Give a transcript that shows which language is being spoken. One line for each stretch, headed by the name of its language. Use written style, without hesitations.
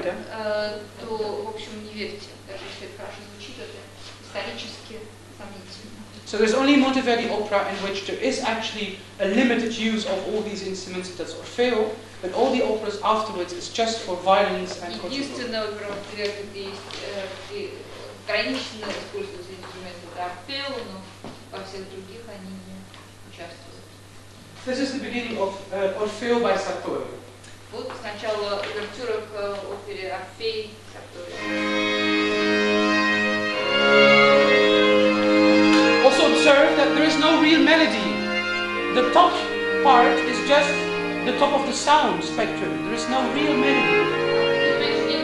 Russian: то, в общем, не верьте, даже если это хорошо звучит, это исторически сомнительно.
English: So there's only Monteverdi opera in which there is actually a limited use of all these instruments, that's Orfeo, but all the operas afterwards is just for violins and concerto.
Russian: Единственная опера Монтеверди, где ограниченно используются инструменты, это Орфео, но во всех других они не участвуют.
English: This is the beginning of Orfeo by Sartori.
Russian: Вот сначала увертюра к опере «Орфей» Сартори.
English: Also observe that there is no real melody. The top part is just the top of the sound spectrum. There is no real melody.